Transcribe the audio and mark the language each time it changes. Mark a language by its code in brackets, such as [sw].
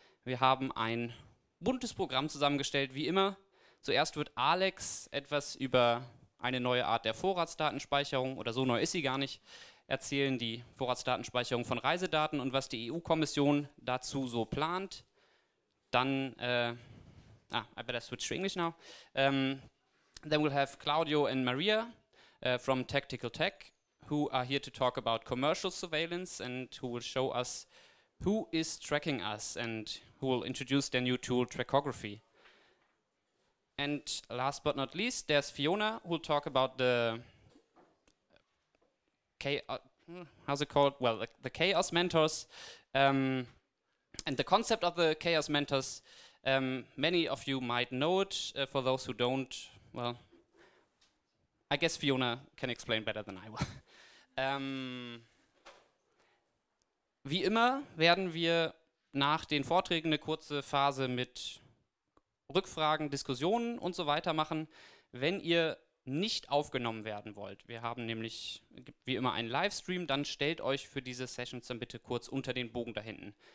[de] Wir haben ein buntes Programm zusammengestellt, wie immer. Zuerst wird Alex etwas über eine neue Art der Vorratsdatenspeicherung, oder so neu ist sie gar nicht, erzählen, die Vorratsdatenspeicherung von Reisedaten und was die EU-Kommission dazu so plant. Dann, [en] I better switch to English now. Then we'll have Claudio and Maria from Tactical Tech, who are here to talk about commercial surveillance and who will show us who is tracking us and who will introduce their new tool, Trackography. And last but not least, there's Fiona, who will talk about the the Chaos Mentors and the concept of the Chaos Mentors. Many of you might know it. For those who don't, well, I guess Fiona can explain better than I will. [de] Wie immer werden wir nach den Vorträgen eine kurze Phase mit Rückfragen, Diskussionen und so weiter machen, wenn ihr nicht aufgenommen werden wollt. Wir haben nämlich wie immer einen Livestream, dann stellt euch für diese Sessions dann bitte kurz unter den Bogen da hinten.